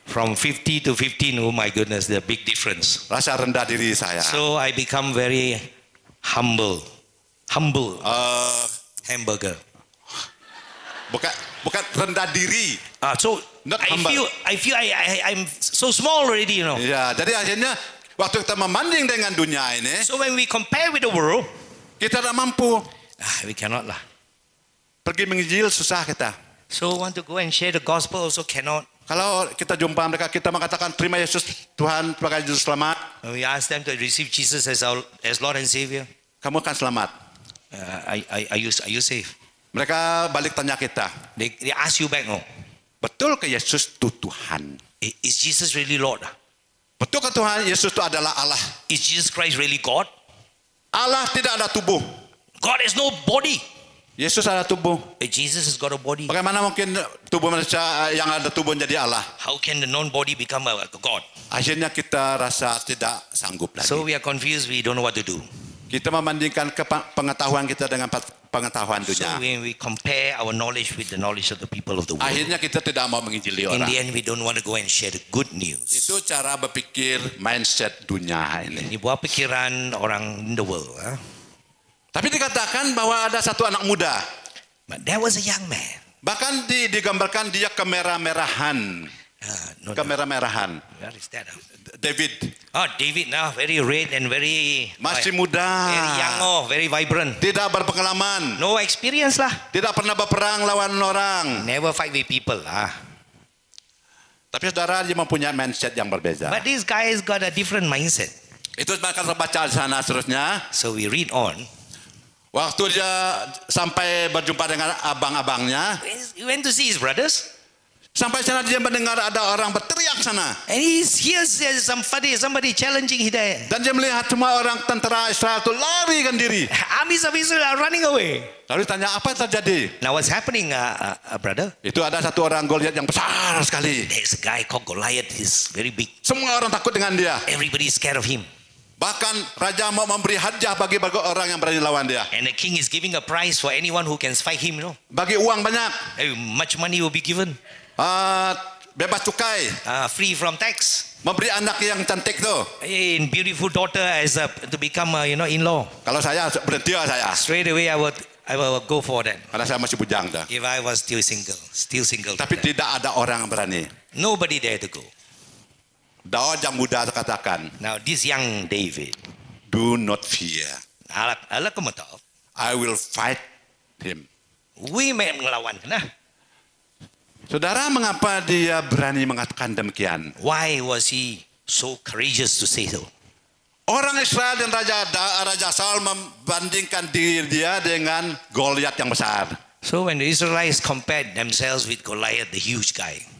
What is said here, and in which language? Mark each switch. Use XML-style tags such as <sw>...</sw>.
<en>From 50 to 15, oh my goodness, the big difference.</en> <ms>Rasa rendah diri saya.</ms> <en>So I become very humble. Humble. Hamburger.</en> <ms>Bukan rendah diri.</ms> <en>So not humble. I feel I'm so small already, you know.</en> <ms>Yeah, jadi akhirnya waktu kita membanding dengan dunia ini.</ms> <en>So when we compare with the world.</en> <ms>Kita tak mampu.</ms> <en>We cannot lah.</en> <ms>Pergi menginjil susah kita.</ms> <en>So want to go and share the gospel also cannot.</en> <ms>Kalau kita jumpa mereka, kita mengatakan terima Yesus Tuhan sebagai Juru Selamat.</ms> <en>We ask them to receive Jesus as Lord and Savior.</en> <ms>Kamu akan selamat.</ms> <en>Are you safe?</en> <ms>Mereka balik tanya kita.</ms> <en>They ask you back, no?</en> <ms>Betul ke Yesus itu Tuhan?</ms> <en>Is Jesus really Lord?</en> <ms>Betul ke Tuhan Yesus itu adalah Allah?</ms> <en>Is Jesus Christ really God?</en> <ms>Allah tidak ada tubuh.</ms> <en>God has no body.</en> <ms>Yesus ada tubuh.</ms> <en>Jesus has got a body.</en> <ms>Bagaimana mungkin tubuh manusia yang ada tubuh jadi Allah?</ms> <en>How can the non-body become a God?</en> <ms>Akhirnya kita rasa tidak sanggup lagi.</ms> <en>So we are confused, we don't know what to do.</en> <ms>Kita membandingkan pengetahuan kita dengan pengetahuan dunia.</ms> <en>So when we compare our knowledge with the knowledge of the people of the world.</en> <ms>Akhirnya kita tidak mau menginjili orang.</ms> <en>In the end, we don't want to go and share the good news.</en> <ms>Itu cara berpikir mindset dunia ini. Ini buah pikiran orang</ms> <en>in the world.</en> <ms>Tapi dikatakan bahwa ada satu anak muda.</ms> <en>But there was a young man.</en> <ms>Bahkan digambarkan dia kemerah-merahan. Kemerah-merahan.</ms> <en>Where is that? David. Oh, David now very red and very</en> <ms>masih muda.</ms> <en>Very young, oh, very vibrant.</en> <ms>Tidak berpengalaman.</ms> <en>No experience lah.</en> <ms>Tidak pernah berperang lawan orang.</ms> <en>Never fight with people lah.</en> <ms>Tapi saudara dia mempunyai mindset yang berbeza.</ms> <en>But this guy has got a different mindset.</en> <ms>Itu bakal terbaca di sana seterusnya.</ms> <en>So we read on.</en> <ms>Waktu dia sampai berjumpa dengan abang-abangnya.</ms> <en>He went to see his brothers.</en> <ms>Sampai sana dia mendengar ada orang berteriak sana.</ms> <en>And he hears there's somebody challenging him there.</en> <ms>Dan dia melihat semua orang tentara Israel itu lari kan diri.</ms> <en>Armies of Israel are running away.</en> <ms>Lalu tanya apa yang terjadi?</ms> <en>Now what's happening, brother?</en> <ms>Itu ada satu orang Goliat yang besar sekali.</ms> <en>There's a guy called Goliath, he's very big.</en> <ms>Semua orang takut dengan dia.</ms> <en>Everybody's scared of him.</en> <ms>Bahkan raja mau memberi hadiah bagi bagi orang yang berani lawan dia.</ms> <en>And the king is giving a prize for anyone who can fight him, you know.</en> <ms>Bagi uang banyak.</ms> <en>Much money will be given.</en> <ms>Bebas cukai.</ms> <en>Free from tax.</en> <ms>Memberi anak yang cantik tu.</ms> <en>In beautiful daughter as a, to become a, you know, in-law.</en> <ms>Kalau saya berhenti saya.</ms> <en>Straight away I would go for that.</en> <ms>Karena saya masih bujang dah.</ms> <en>If I was still single.</en> <ms>Tapi tidak ada orang berani.</ms> <en>Nobody dare to go.</en> <ms>Daud yang muda katakan.</ms> <en>Now this young David. Do not fear. I will fight him.</en> <ms>We may melawan. Nah. Saudara, mengapa dia berani mengatakan demikian?</ms> <en>Why was he so courageous to say so?</en> <ms>Orang Israel dan Raja Saul membandingkan diri dia dengan Goliath yang besar.</ms> <en>So when the Israelites compared themselves with Goliath, the huge guy.</en>